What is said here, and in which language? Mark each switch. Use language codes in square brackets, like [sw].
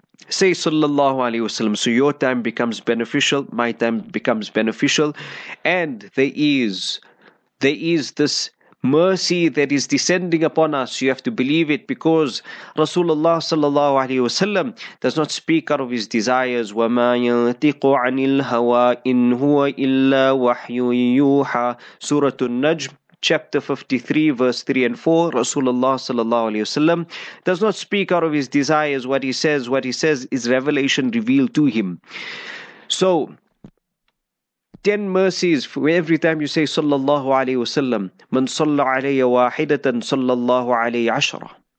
[en] Say sallallahu alayhi wa sallam, so your time becomes beneficial, my time becomes beneficial, and there is this mercy that is descending upon us. You have to believe it, because Rasulullah sallallahu alayhi wa sallam does not speak out of his desires. [ar] وَمَا يَنْتِقُ عَنِ الْهَوَىٰ إِنْ هُوَ إِلَّا وَحْيُ يُوحَىٰ [en] Surah Al-Najm, chapter 53, verse 3 and 4. Rasulullah sallallahu alayhi wa sallam does not speak out of his desires. What he says is revelation revealed to him. So, 10 mercies for every time you say sallallahu alayhi wa sallam. [ar] Man salla alayya wahidatan sallallahu alayhi ashara.